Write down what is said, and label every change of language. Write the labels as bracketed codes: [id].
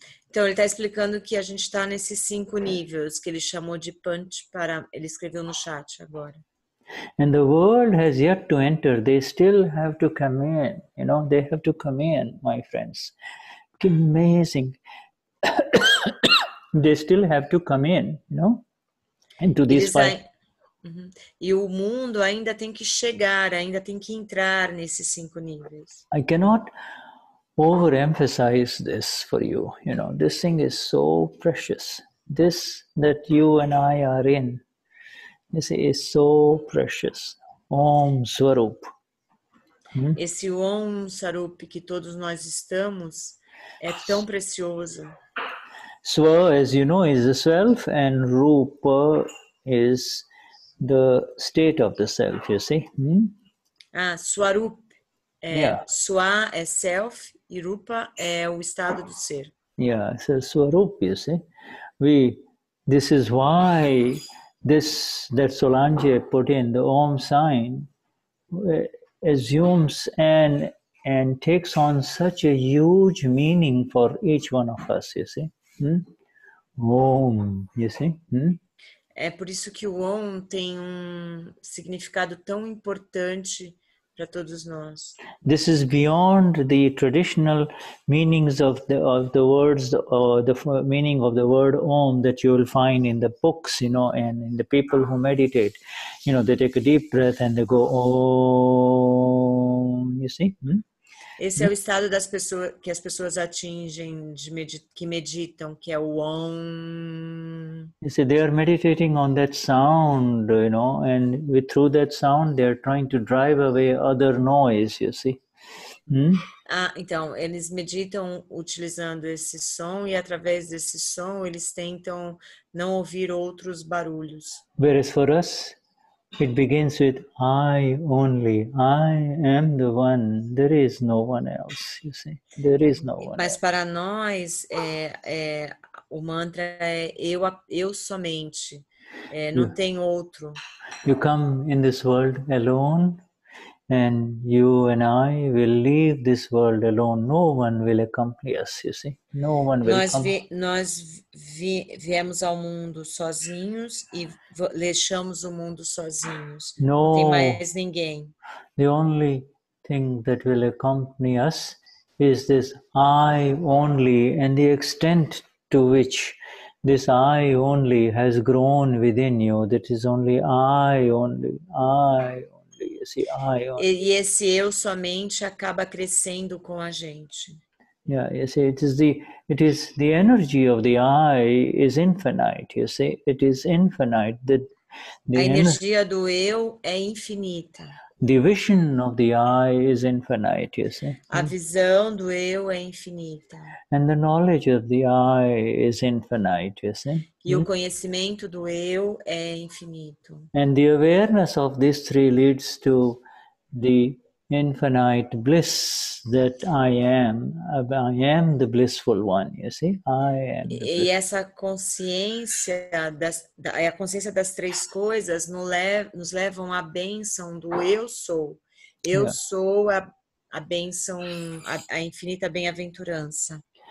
[pt] Então ele está explicando que a gente está nesses cinco níveis que ele chamou de Panch para, ele escreveu no chat agora. [en] And the world has yet to enter. They still have to come in, you know, they have to come in, my friends. Amazing. They still have to come in, you know, into these five. [pt] E o mundo ainda tem que chegar, ainda tem que entrar nesses cinco níveis. [en] I cannot overemphasize this for you. You know, this thing is so precious. This that you and I are in, you see, is so precious. Om Swarup. [pt] Esse Om Swarup que todos nós estamos é tão precioso. [en] Swa, as you know, is the self, and Rupa is the state of the self, you see? Ah, Swarup. [pt] Swa é self e Rupa é o estado do ser. [en] Yeah, so Swarup, you see? This is why that Solange put in the Om sign assumes and takes on such a huge meaning for each one of us, you see? Om, you see? [pt] É por isso que o Om tem um significado tão importante para todos nós. [en] This is beyond the traditional meanings of the words or the meaning of the word Om that you will find in the books, you know, and in the people who meditate. You know, they take a deep breath and they go Om, you see? [pt] Esse é o estado das pessoas que as pessoas atingem que meditam, que é o Om. [en] You see, they are meditating on that sound, you know, and through that sound they are trying to drive away other noise, you see. [pt] Então eles meditam utilizando esse som e através desse som eles tentam não ouvir outros barulhos. [en] Whereas for us, it begins with I only. I am the one. There is no one else. You see, there is no one. [pt] Mas para nós, o mantra é eu somente. Não tem outro. [en] You come in this world alone, and you and I will leave this world alone. No one will accompany us. You see, no one will come. [pt] Viemos ao mundo sozinhos e deixamos o mundo sozinhos. [en] No, [pt] não tem mais ninguém. [en] The only thing that will accompany us is this I only, and the extent to which this I only has grown within you, that is only I only, I only, you see, I only. [pt] E esse eu somente acaba crescendo com a gente. [en] Yeah, you see, it is the energy of the I is infinite, you see, it is infinite. [pt] A energia do eu é infinita. [en] The vision of the I is infinite, you see. [pt] A visão do eu é infinita. [en] And the knowledge of the I is infinite, you see. [pt] E o conhecimento do eu é infinito. [en] And the awareness of these three leads to the infinite bliss that I am the blissful one, you see, I am. [pt] E essa consciência a consciência das três coisas nos levam à bênção do eu sou. Eu sou a bênção, a infinita bem-aventurança.